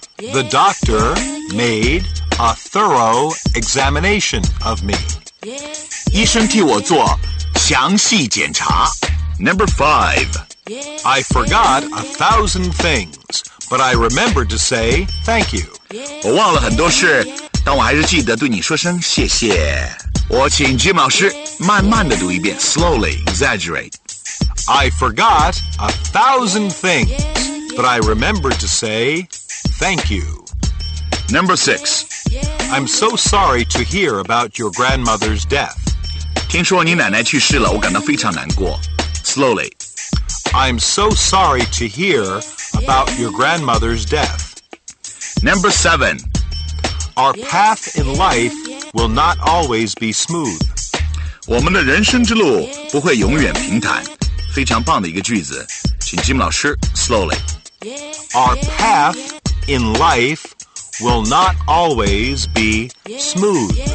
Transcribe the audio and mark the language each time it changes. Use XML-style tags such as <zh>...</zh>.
<en>The doctor made a thorough examination of me.</en> <zh>医生替我做详细检查。</zh> <en>Number five, I forgot 1,000 things, but I remembered to say thank you.</en> <zh>我忘了很多事，但我还是记得对你说声谢谢。我请 Jim 老师慢慢地读一遍 ，</zh> <en>slowly exaggerate. I forgot 1,000 things, but I remembered to say thank you. Number six, I'm so sorry to hear about your grandmother's death.</en> <zh>听说你奶奶去世了，我感到非常难过。</zh> <en>Slowly. I'm so sorry to hear about your grandmother's death. Number seven. Our path in life will not always be smooth.</en> <zh>我们的人生之路不会永远平坦。非常棒的一个句子，请金老师 slowly.</zh> <en>Our path in life will not always be smooth.</en>